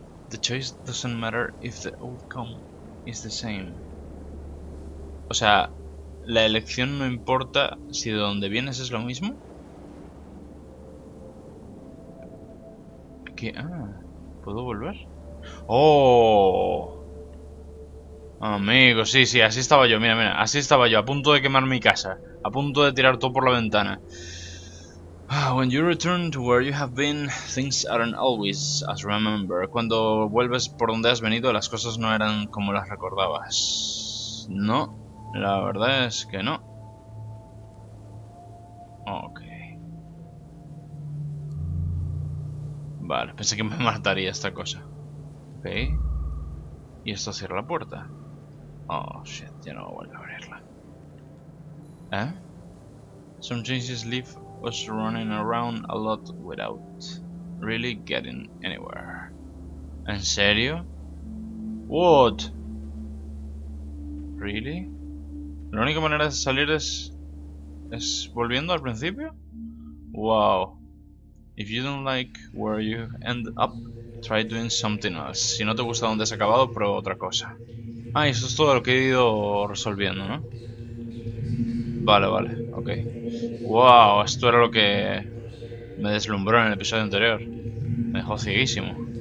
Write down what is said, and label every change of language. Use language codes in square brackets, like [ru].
[en] The choice doesn't matter if the outcome is the same. [es] O sea, la elección no importa si de dónde vienes es lo mismo. ¿Qué? Ah, ¿puedo volver? Oh, amigo, sí, así estaba yo. Mira, mira, así estaba yo, a punto de quemar mi casa, a punto de tirar todo por la ventana. [en] When you return to where you have been, things aren't always as remember. [es] Cuando vuelves por donde has venido, las cosas no eran como las recordabas. No, la verdad es que no. [en] Ok. [es] Vale, pensé que me mataría esta cosa. Ok. Y esto cierra la puerta. [en] Oh, shit, [es] ya no vuelve a abrirla. ¿Eh? [en] Some changes leave us running around a lot without really getting anywhere. [es] ¿En serio? [en] What? Really? [es] La única manera de salir es volviendo al principio? Wow. [en] If you don't like where you end up, try doing something else. [es] Si no te gusta dónde has acabado, prueba otra cosa. Ah, y eso es todo lo que he ido resolviendo, ¿no? Vale, ok. Wow, esto era lo que me deslumbró en el episodio anterior. Me dejó cieguísimo.